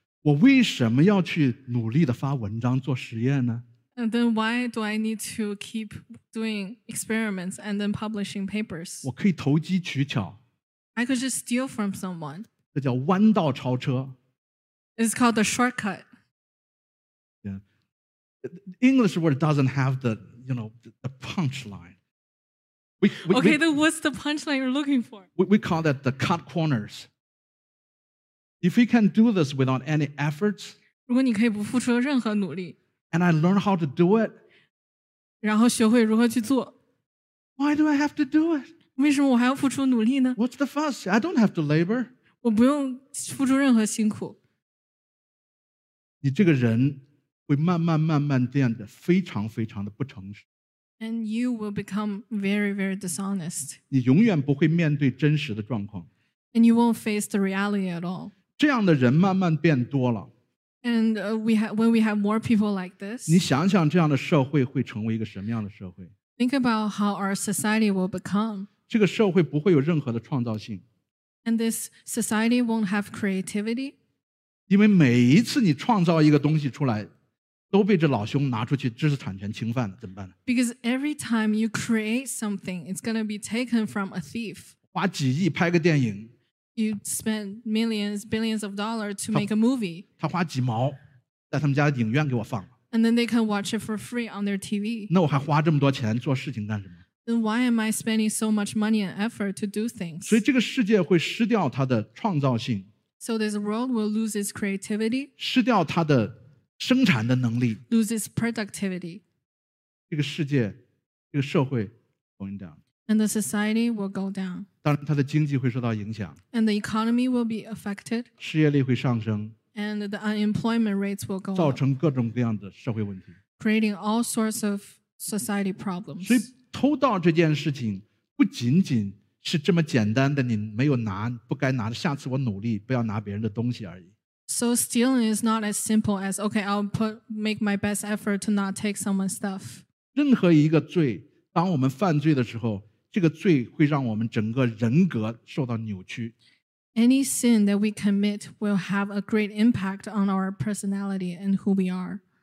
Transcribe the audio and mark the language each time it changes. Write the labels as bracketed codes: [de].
[zh] 我为什么要去努力地发文章做实验呢？ [en] And then why do I need to keep doing experiments and then publishing papers? [zh] 我可以投机取巧。 [en] I could just steal from someone. [zh] 这叫弯道超车。 [en] It's called the shortcut. Yeah. English word doesn't have the, you know, the punchline. Okay, then what's the punchline you're looking for? We call that the cut corners. If we can do this without any efforts, [zh] 如果你可以不付出任何努力, [en] and I learn how to do it, [zh] 然后学会如何去做, [en] why do I have to do it? [zh] 为什么我还要付出努力呢? [en] What's the fuss? I don't have to labor. [zh] 我不用付出任何辛苦。你这个人会慢慢慢慢变得非常非常的不诚实。 [en] And you will become very, very dishonest. [zh] 你永远不会面对真实的状况。 [en] And you won't face the reality at all. [zh] 这样的人慢慢变多了。 [en] And when we have more people like this, [zh] 你想想这样的社会会成为一个什么样的社会？ [en] Think about how our society will become. [zh] 这个社会不会有任何的创造性。 [en] And this society won't have creativity. [zh] 因为每一次你创造一个东西出来，都被这老兄拿出去知识产权侵犯了，怎么办呢？ [en] Because every time you create something, it's going to be taken from a thief. [zh] 花几亿拍个电影， [en] you spend millions, billions of dollars to make a movie. [zh] 他花几毛在他们家的影院给我放。 [en] And then they can watch it for free on their TV. [zh] 那我还花这么多钱做事情干什么？ [en] Then why am I spending so much money and effort to do things? [zh] 所以这个世界会失掉它的创造性。 [en] So this world will lose its creativity. [zh] 失掉它的生产的能力。 [en] Lose its productivity. [zh] 这个世界，这个社会 [en] going down. And the society will go down. [zh] 当然它的经济会受到影响。 [en] And the economy will be affected. [zh] 失业率会上升。 [en] And the unemployment rates will go up, [zh] 造成各种各样的社会问题, [en] creating all sorts of society problems. [zh] 所以偷盗这件事情不仅仅是这么简单的，你没有拿，不该拿，下次我努力，不要拿别人的东西而已。 [en] So stealing is not as simple as, okay, I'll put, make my best effort to not take someone's stuff. [zh] 任何一个罪，当我们犯罪的时候，这个罪会让我们整个人格受到扭曲。 [en] Any sin that we commit will have a great impact on our personality and who we are.